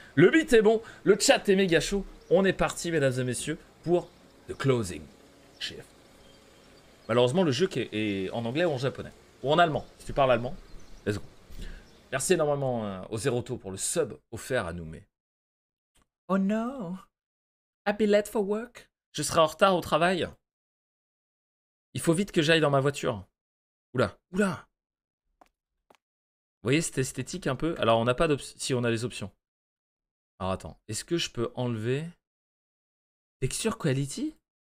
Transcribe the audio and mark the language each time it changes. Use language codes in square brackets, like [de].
[fr] Le beat est bon, le chat est méga chaud. On est parti, mesdames et messieurs, pour The Closing Shift. Malheureusement, le jeu qui est en anglais ou en japonais. Ou en allemand, si tu parles allemand. [en] Let's go. [fr] Merci énormément au Zeroto pour le sub offert à Noumé. Oh non, [en] I'll be late for work. [fr] Je serai en retard au travail. Il faut vite que j'aille dans ma voiture. Oula, oula. Vous voyez cette esthétique un peu? Alors on n'a pas d'option. Si, on a les options. Alors attends, est-ce que je peux enlever Texture Quality?